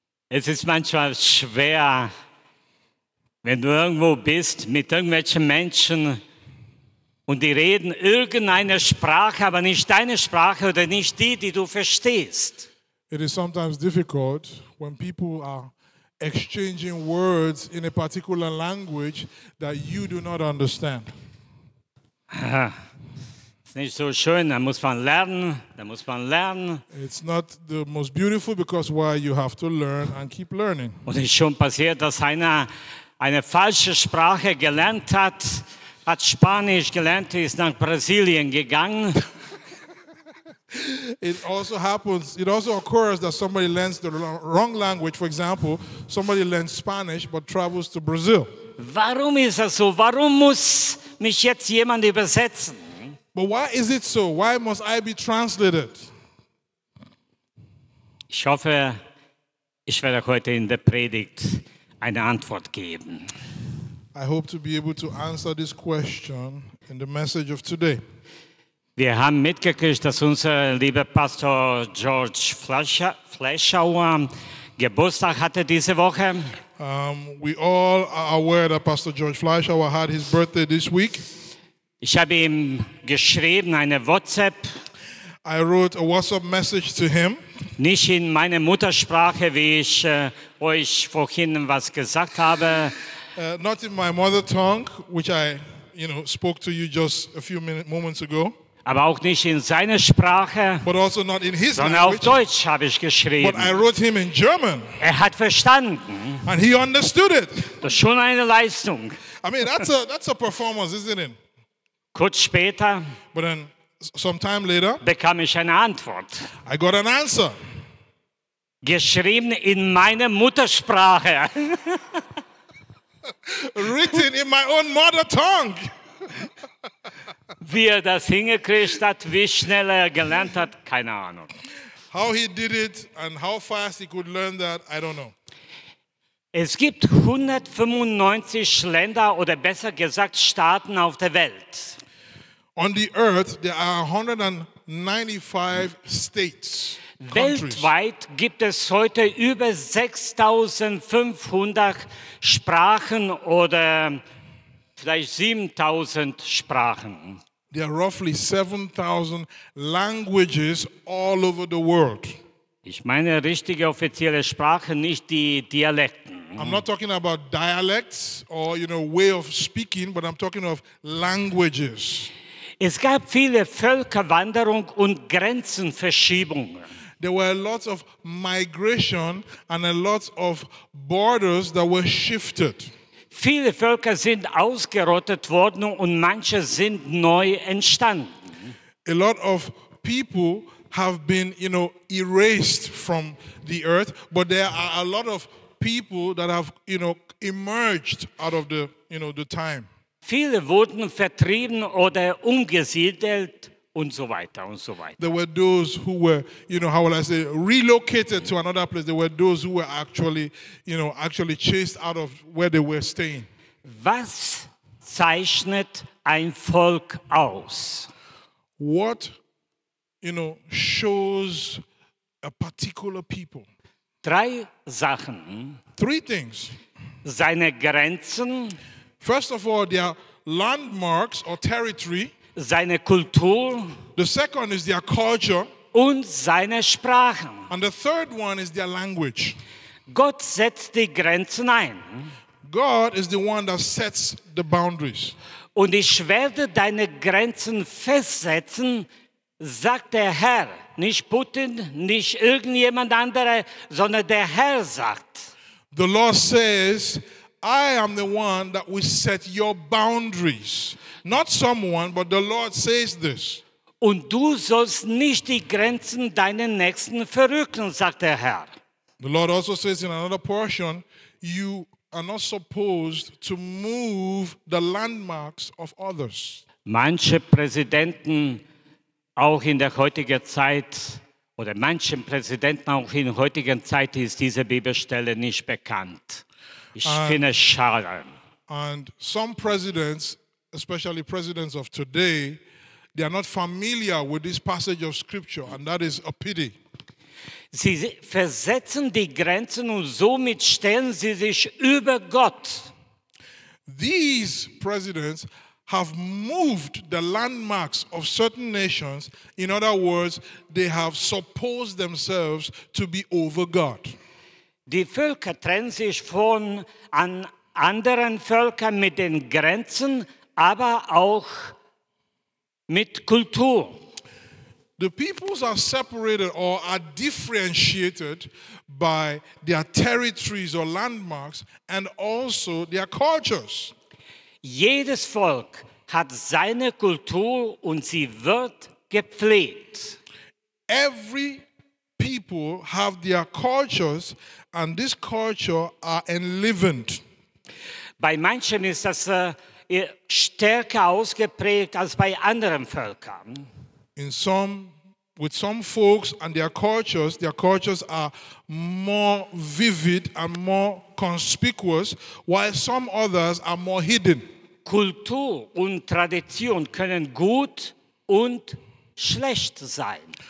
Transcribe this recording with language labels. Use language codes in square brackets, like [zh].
[de] Es ist manchmal schwer, wenn du irgendwo bist mit irgendwelchen Menschen, und die reden irgendeine Sprache, aber nicht deine Sprache oder nicht die, die du verstehst. [en] It is sometimes difficult when people are exchanging words in a particular language that you do not understand. [de] Ist nicht so schön, da muss man lernen. [en] It's not the most beautiful because why you have to learn and keep learning. [de] Und es ist schon passiert, dass einer eine falsche Sprache gelernt hat. Hat Spanisch gelernt, ist nach Brasilien gegangen. [en] It also happens, it also occurs that somebody learns the wrong language. For example, somebody learns Spanish but travels to Brazil. [de] Warum ist das so? Warum muss mich jetzt jemand übersetzen? [en] But why is it so? Why must I be translated? [de] Ich hoffe, ich werde heute in der Predigt eine Antwort geben. [en] I hope to be able to answer this question in the message of today. [de] Wir haben mitgekriegt, dass unser lieber Pastor George Fleischauer Geburtstag hatte diese Woche. [en] We all are aware that Pastor George Fleischauer had his birthday this week. [de] Ich habe ihm geschrieben eine WhatsApp. [en] I wrote a WhatsApp message to him. [de] Nicht in meiner Muttersprache, wie ich euch vorhin was gesagt habe. [en] Not in my mother tongue, which I, you know, spoke to you just a few moments ago. [de] Aber auch nicht in seiner Sprache. [en] But also not in his language. [de] Sondern auf Deutsch habe ich geschrieben. [en] But I wrote him in German. [de] Er hat verstanden. [en] And he understood it. [de] Das ist schon eine Leistung. [en] I mean, that's a performance, isn't it? [de] Kurz später. [en] But then, some time later. [de] Bekam ich eine Antwort. [en] I got an answer. [de] Geschrieben in meiner Muttersprache. [en] Written in my own mother tongue. [de] Wie er das hingekriegt hat, wie schnell er gelernt hat, keine Ahnung. [en] How he did it and how fast he could learn that, I don't know. [de] Es gibt 195 Länder oder besser gesagt Staaten auf der Welt. [en] On the earth there are 195 states. [de] Weltweit gibt es heute über 6.500 Sprachen oder vielleicht 7.000 Sprachen. [en] There are roughly 7.000 languages all over the world. [de] Ich meine richtige offizielle Sprache, nicht die Dialekten. [en] I'm not talking about dialects or, you know, way of speaking, but I'm talking of languages. [de] Es gab viele Völkerwanderung und Grenzenverschiebungen. [en] There were lots of migration and a lot of borders that were shifted. [de] Viele Völker sind ausgerottet worden und manche sind neu entstanden. [en] A lot of people have been, you know, erased from the earth, but there are a lot of people that have, you know, emerged out of the, you know, the time. [de] Viele wurden vertrieben oder umgesiedelt und so weiter und so weiter. [en] There were those who were, you know, how will I say, relocated to another place. There were those who were actually, you know, actually chased out of where they were staying. [de] Was zeichnet ein Volk aus? [en] What, you know, shows a particular people? [de] Drei Sachen. [en] Three things. [de] Seine Grenzen. [en] First of all, their landmarks or territory. [de] Seine Kultur. [en] The second is their culture. [de] Und seine Sprachen. [en] And the third one is their language. [de] Gott setzt die Grenzen ein. [en] God is the one that sets the boundaries. [de] Und ich werde deine Grenzen festsetzen, sagt der Herr. Nicht Putin, nicht irgendjemand andere, sondern der Herr sagt. [en] The Lord says, I am the one that will set your boundaries. Not someone, but the Lord says this. [de] Und du sollst nicht die Grenzen deiner Nächsten verrücken, sagt der Herr. [en] The Lord also says in another portion, you are not supposed to move the landmarks of others. [de] Manche Präsidenten, auch in der heutigen Zeit, oder manchen Präsidenten auch in der heutigen Zeit, ist diese Bibelstelle nicht bekannt. Ich finde es schade. [en] And some presidents, especially presidents of today, they are not familiar with this passage of scripture, and that is a pity. [de] Sie versetzen die Grenzen und somit stellen sie sich über Gott. [en] These presidents have moved the landmarks of certain nations. In other words, they have supposed themselves to be over God. [de] Die Völker trennen sich von an anderen Völkern mit den Grenzen, aber auch mit Kultur. [en] The peoples are separated or are differentiated by their territories or landmarks and also their cultures. [de] Jedes Volk hat seine Kultur und sie wird gepflegt. [en] Every people have their cultures and this culture are enlivened. [de] Bei manchen ist das stärker ausgeprägt als bei anderen Völkern. [en] In some, with some folks and their cultures are more vivid and more conspicuous, while some others are more hidden. [de] Kultur und Tradition können gut und schlecht sein.